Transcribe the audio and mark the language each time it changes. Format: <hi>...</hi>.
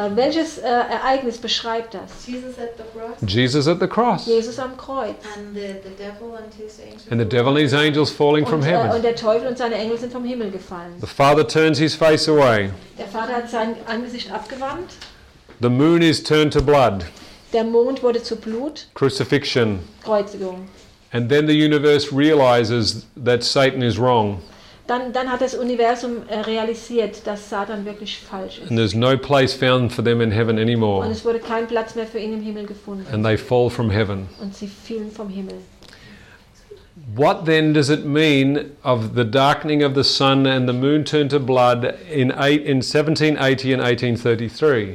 <de>Welches Ereignis beschreibt das?</de> <en>Jesus at the cross.</en> <de>Jesus am Kreuz.</de> <en>And the devil and his angels. And the devil and his angels falling from heaven.</en> <de>Und der Teufel und seine Engel sind vom Himmel gefallen.</de> <en>The Father turns his face away.</en> <de>Der Vater hat sein Angesicht abgewandt.</de> <en>The moon is turned to blood.</en> <de>Der Mond wurde zu Blut.</de> <en>Crucifixion.</en> <de>Kreuzigung.</de> <en>And then the universe realizes that Satan is wrong.</en> <de>Dann hat das Universum realisiert, dass Satan wirklich falsch ist.</de> <en>And there's no place found for them in heaven anymore.</en> <de>Und es wurde kein Platz mehr für ihn im Himmel gefunden.</de> <en>And they fall from heaven.</en> <de>Und sie fielen vom Himmel.</de> <en>What then does it mean of the darkening of the sun and the moon turned to blood in 1780 and 1833?</en>